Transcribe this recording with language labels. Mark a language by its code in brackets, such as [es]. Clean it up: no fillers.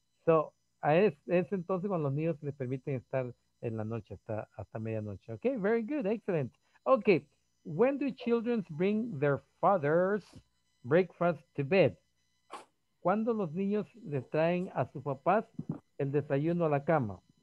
[es] So, es entonces cuando los niños les permiten estar en la noche hasta medianoche. [en] Okay, very good, excellent. Okay, when do children bring their father's breakfast to bed? [es] ¿Cuándo los niños les traen a sus papás el desayuno a la cama?